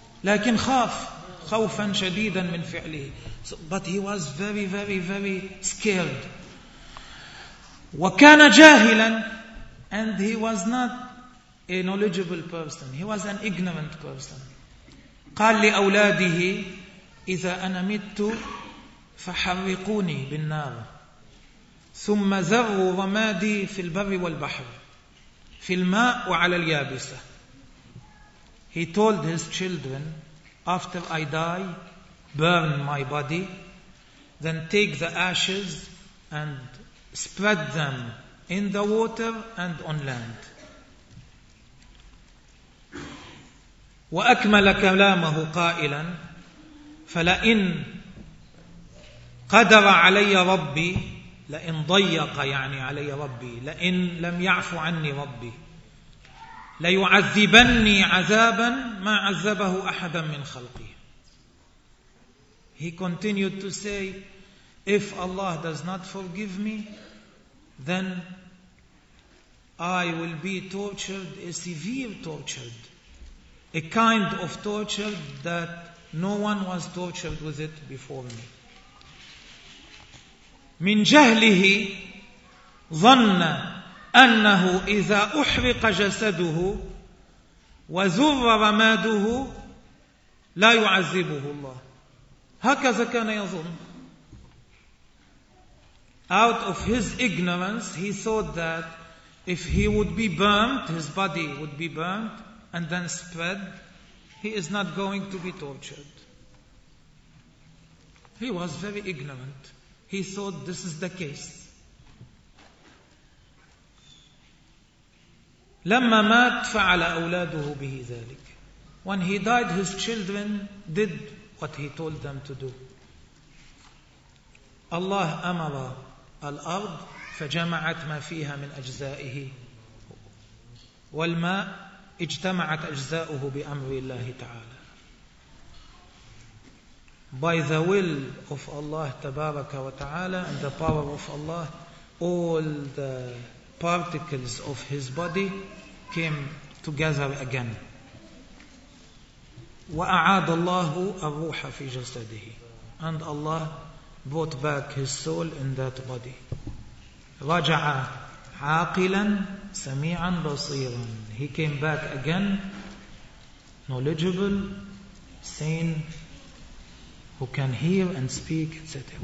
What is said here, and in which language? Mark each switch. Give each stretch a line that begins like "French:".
Arabic: لكن خاف خوفا شديدا من فعله.
English: But he was very, very, very scared.
Arabic: وكان جاهلا,
English: and he was not a knowledgeable person. He was an ignorant person.
Arabic: قال لأولاده إذا أنا مت فحرقوني بالنار ثم ذروا رمادي في البر والبحر في الماء وعلى اليابسة.
English: He told his children, after I die, burn my body, then take the ashes and spread them in the water and on land.
Arabic: وأكمل كلامه قائلا فلئن قدر علي ربي, لئن ضيق يعني علي ربي, لئن لم يعفو عني ربي ليعذبني عذابا ما عذبه أحدا من خلقي.
English: He continued to say, if Allah does not forgive me, then I will be tortured, a severe tortured, a kind of tortured that no one was tortured with it before me.
Arabic: من جهله ظن أنه إذا أحرق جسده وذر رماده لا يعذبه الله. هكذا كان يظن.
English: Out of his ignorance, he thought that if he would be burnt, his body would be burnt and then spread, he is not going to be tortured. He was very ignorant. He thought this is the case.
Arabic: لما مات فعل أولاده به ذلك.
English: When he died, his children did what he told them to do.
Arabic: الله أمر الأرض فجمعت ما فيها من أجزائه والماء اجتمعت أجزاؤه بأمر الله تعالى.
English: By the will of Allah Tabaraka wa Ta'ala and the power of Allah, all the particles of his body came together again.
Arabic: وَأَعَادَ اللَّهُ الرُّوحَ فِي جَسَدِهِ.
English: And Allah brought back his soul in that body.
Arabic: رَجَعَ عَاقِلًا سَمِيعًا بَصِيرًا.
English: He came back again, knowledgeable, sane, who can hear and speak, etc.